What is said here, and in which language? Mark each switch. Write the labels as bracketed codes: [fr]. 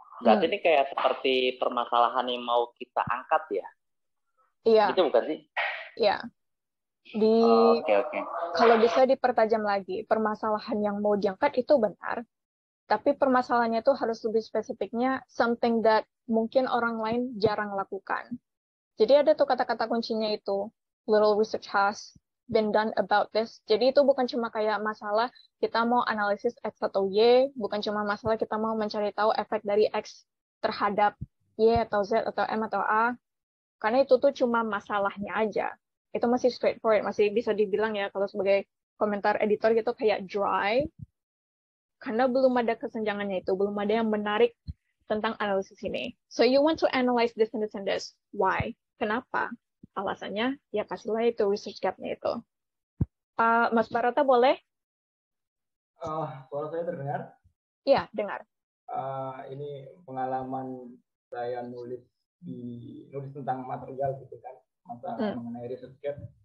[id] Berarti ini kayak seperti permasalahan yang mau kita angkat ya? Iya. Itu bukan sih? Iya. Oke. Kalau bisa dipertajam lagi, permasalahan yang mau diangkat itu benar, tapi permasalahannya itu harus lebih spesifiknya [en] something that [id] mungkin orang lain jarang lakukan. Jadi ada tuh kata-kata kuncinya itu, [en] little research has been done about this. [id] Jadi itu bukan cuma kayak masalah kita mau analisis X atau Y, bukan cuma masalah kita mau mencari tahu efek dari X terhadap Y atau Z atau M atau A, karena itu tuh cuma masalahnya aja. Itu masih straightforward, masih bisa dibilang ya kalau sebagai komentar editor gitu kayak dry, karena belum ada kesenjangannya itu, belum ada yang menarik tentang analisis ini. [en] So you want to analyze this and this and this. Why? [id] Kenapa? Alasannya, ya kasihlah itu research gap-nya itu. Mas Barata boleh? Kalau saya terdengar? Iya, dengar. Ini pengalaman saya nulis tentang material gitu kan, mengenai research gap.